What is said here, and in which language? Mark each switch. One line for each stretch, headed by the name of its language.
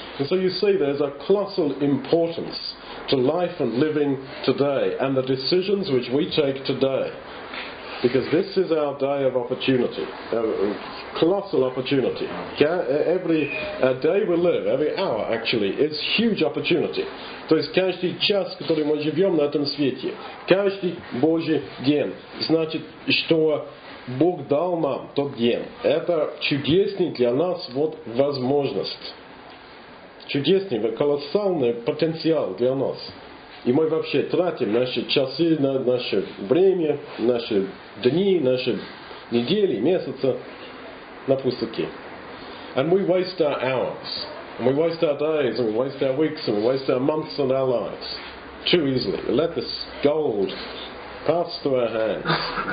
English: And so you see, there's a colossal importance to life and living today and the decisions which we take today. Because this is our day of opportunity, colossal opportunity. Every day we live, every hour actually, is huge opportunity.
Russian: То есть каждый час, который мы живем на этом свете, каждый Божий день, значит, что Бог дал нам тот день. Это чудесный для нас вот возможность. Чудесный, колоссальный потенциал для нас. И мы вообще тратим наши часы, наше время, наши дни, наши недели, месяцы на пустяки.
English: And we waste our hours. And we waste our days, and we waste our weeks, and we waste our months and our lives too easily. We let this gold pass through our hands.